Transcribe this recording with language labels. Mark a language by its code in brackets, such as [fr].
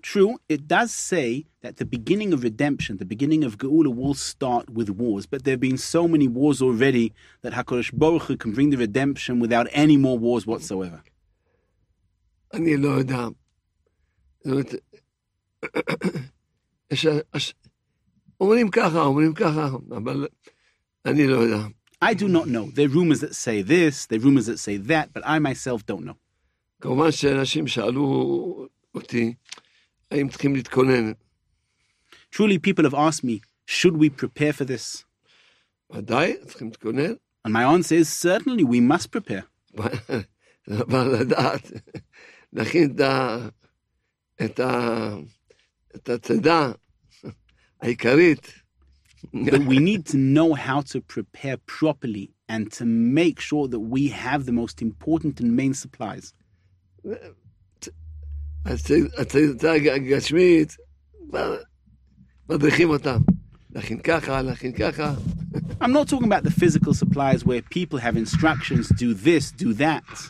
[en] True, it does say that the beginning of redemption, the beginning of Geula, will start with wars. But there have been so many wars already that HaKadosh Baruch Hu can bring the redemption without any more wars whatsoever. [he] אני לא יודע. זאת אומרים ככה, אומרים ככה, אבל אני לא יודע. [en] I do not know. There are rumors that say this, there are rumors that say that, but I myself don't know. [he] כמובן שאנשים שאלו אותי, האם צריכים להתכונן? [en] Truly, people have asked me, should we prepare for this? [he] ודאי, צריכים להתכונן. [en] And my answer is, certainly, we must prepare. [he] אבל לדעת, להכין את הצדה העיקרית, [en] but we need to know how to prepare properly and to make sure that we have the most important and main supplies. I'm not talking about the physical supplies where people have instructions, do this, do that.